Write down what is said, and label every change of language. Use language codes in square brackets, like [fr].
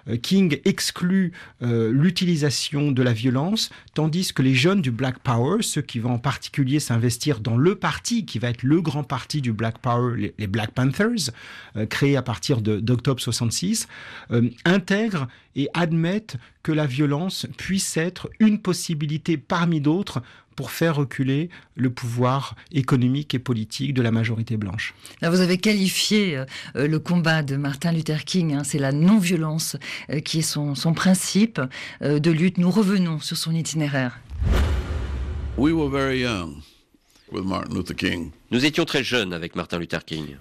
[fr] King exclut l'utilisation de la violence, tandis que les jeunes du Black Power, ceux qui vont en particulier s'investir dans le parti qui va être le grand parti du Black Power, les Black Panthers, créés à partir d'octobre 66, intègrent et admettent que la violence puisse être une possibilité parmi d'autres pour faire reculer le pouvoir économique et politique de la majorité blanche. Alors vous avez qualifié le combat de Martin Luther King, hein, c'est la non-violence qui est son principe de lutte. Nous revenons sur son itinéraire. [en] We were very young with Martin Luther King. [fr] Nous étions très jeunes avec Martin Luther King.